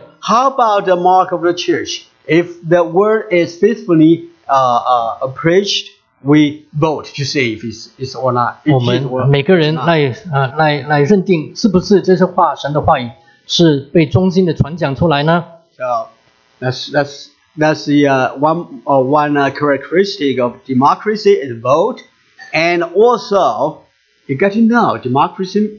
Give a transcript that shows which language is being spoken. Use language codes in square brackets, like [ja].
[en] So how about the mark of the church? If the word is faithfully preached, we vote to see if it's or not. [zh] 我们每个人来认定是不是这些话神的话语是被忠心的传讲出来呢? [en] So that's the one characteristic of democracy is vote, and also you got to know democracy.